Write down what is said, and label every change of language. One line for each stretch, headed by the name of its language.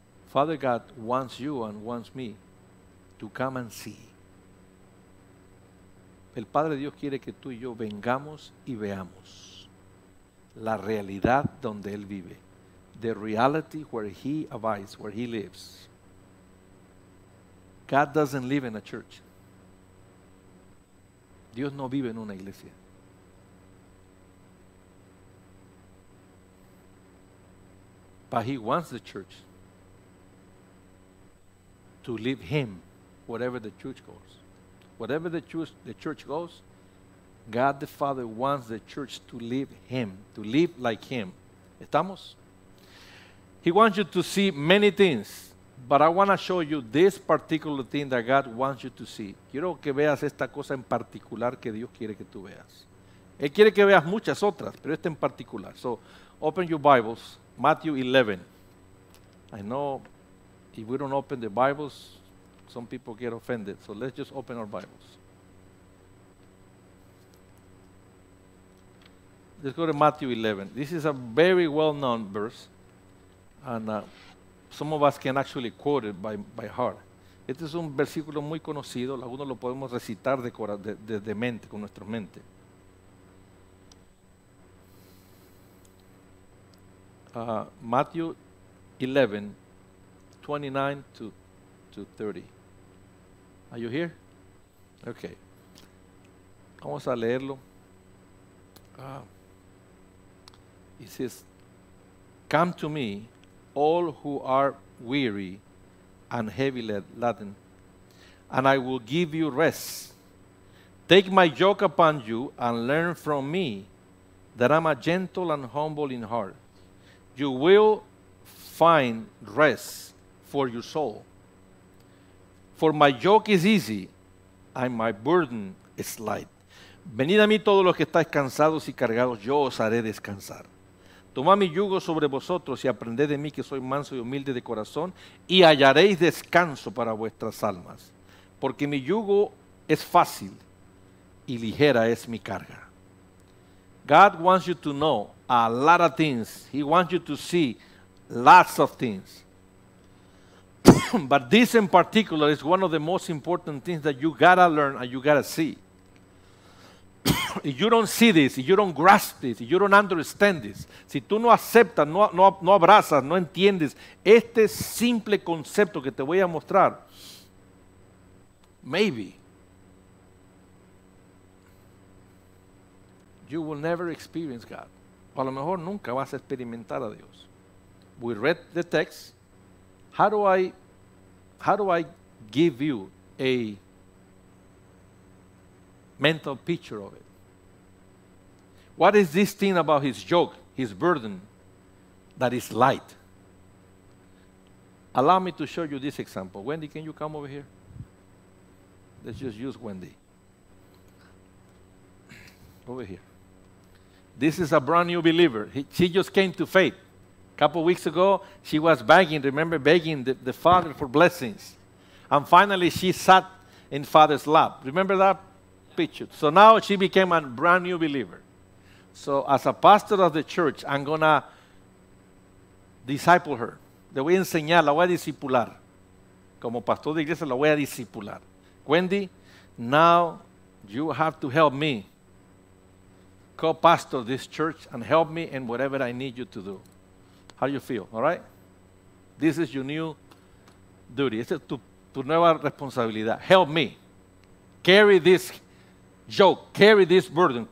English: Father God wants you and wants me to come and see.
Spanish: El Padre Dios quiere que tú y yo vengamos y veamos la realidad donde Él vive.
English: The reality where He abides, where He lives. God doesn't live in a church.
Spanish: Dios no vive en una iglesia.
English: But He wants the church to live Him wherever the church goes. Whatever the church goes, God the Father wants the church to live Him, to live like Him.
Spanish: ¿Estamos?
English: He wants you to see many things, but I want to show you this particular thing that God wants you to see.
Spanish: Quiero que veas esta cosa en particular que Dios quiere que tú veas. Él quiere que veas muchas otras, pero esta en particular.
English: So, open your Bibles, Matthew 11. I know if we don't open the Bibles, some people get offended. So, let's just open our Bibles. Let's go to Matthew 11. This is a very well-known verse. And some of us can actually quote it by heart.
Spanish: Este es un versículo muy conocido. Algunos lo podemos recitar de mente, con nuestra mente.
English: Matthew 11, 29 to 30. Are you here? Okay.
Spanish: Vamos a leerlo.
English: It says, come to me, all who are weary and heavy laden, and I will give you rest. Take my yoke upon you and learn from me that I'm a gentle and humble in heart. You will find rest for your soul. For my yoke is easy and my burden is light.
Spanish: Venid a mí todos los que estáis cansados y cargados, yo os haré descansar. Tomad mi yugo sobre vosotros y aprended de mí que soy manso y humilde de corazón y hallaréis descanso para vuestras almas. Porque mi yugo es fácil y ligera es mi carga.
English: God wants you to know a lot of things. He wants you to see lots of things. But this in particular is one of the most important things that you gotta learn and you gotta see. If you don't see this, if you don't grasp this, if you don't understand this,
Spanish: si tú no aceptas, no abrazas, no entiendes este simple concepto que te voy a mostrar,
English: maybe you will never experience God.
Spanish: O a lo mejor nunca vas a experimentar a Dios.
English: We read the text. How do I give you a mental picture of it? What is this thing about his yoke, his burden, that is light? Allow me to show you this example. Wendy, can you come over here? Let's just use Wendy. Over here. This is a brand new believer. She just came to faith. A couple weeks ago, she was begging, remember, begging the Father for blessings. And finally, she sat in Father's lap. Remember that picture? So now she became a brand new believer. So as a pastor of the church, I'm going to disciple her.
Spanish: Le voy a enseñar, la voy a discipular. Como pastor de iglesia, la voy a discipular.
English: Wendy, now you have to help me co-pastor this church and help me in whatever I need you to do. How do you feel? All right? This is your new duty.
Spanish: Esta es tu nueva responsabilidad.
English: Help me. Carry this yoke. Carry this burden.